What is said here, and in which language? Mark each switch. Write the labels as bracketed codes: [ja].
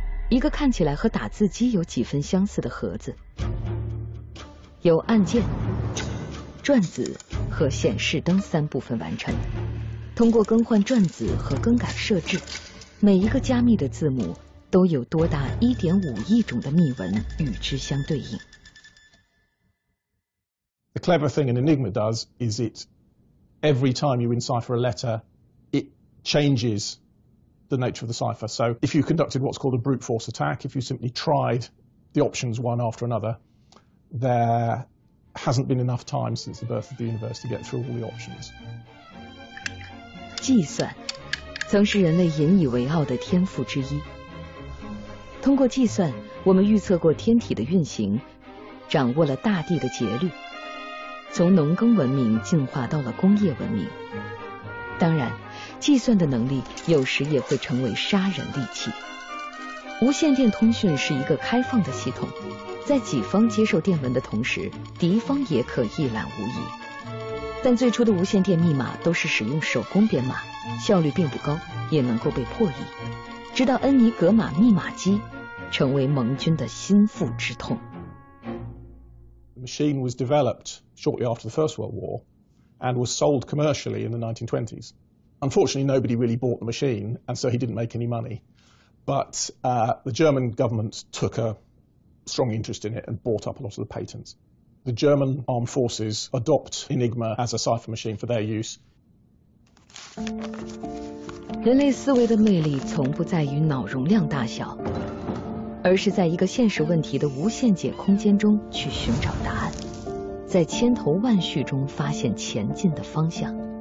[zh] 一个看起来和打字机有几分相似的盒子，由按键、转子和显示灯三部分完成。通过更换转子和更改设置，每一个加密的字母都有多达1.5亿种的密文与之相对应。 [en] The clever thing an Enigma does is it every time you encipher a letter, it changes. The nature of the cipher. So, if you conducted what's called a brute force attack, if you simply tried the options one after another, there hasn't been enough time since the birth of the universe to get through all the options. [zh] 计算曾是人类引以为傲的天赋之一。通过计算，我们预测过天体的运行，掌握了大地的节律，从农耕文明进化到了工业文明。当然。计算的能力有时也会成为杀人利器。无线电通讯是一个开放的系统，在己方接受电文的同时，敌方也可一览无遗。但最初的无线电密码都是使用手工编码，效率并不高，也能够被破译。直到恩尼格玛密码机，成为盟军的心腹之痛。 [en] The machine was developed shortly after the First World War, and was sold commercially in the 1920s. Unfortunately, nobody really bought the machine, and so he didn't make any money. But the German government took a strong interest in it and bought up a lot of the patents. The German armed forces adopt Enigma as a cipher machine for their use. [zh] 人类思维的魅力从不在于脑容量大小，而是在一个现实问题的无限解空间中去寻找答案，在千头万绪中发现前进的方向。